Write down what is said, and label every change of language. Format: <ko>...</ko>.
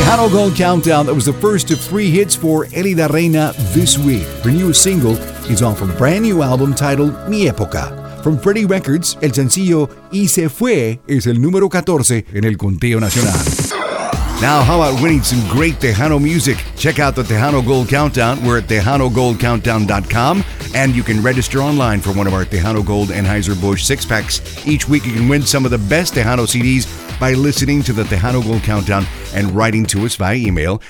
<en>Gold Countdown, that was the first of three hits for Eli La Reina this week. Her newest single is off a brand new album titled Mi Época.</en> <es>From Freddie Records, el sencillo Y Se Fue es el número 14 en el conteo nacional.</es> <en>Now, how about winning some great Tejano music? Check out the Tejano Gold Countdown. We're at TejanoGoldCountdown.com, and you can register online for one of our Tejano Gold Anheuser-Busch six-packs. Each week, you can win some of the best Tejano CDs by listening to the Tejano Gold Countdown and writing to us via email.</en>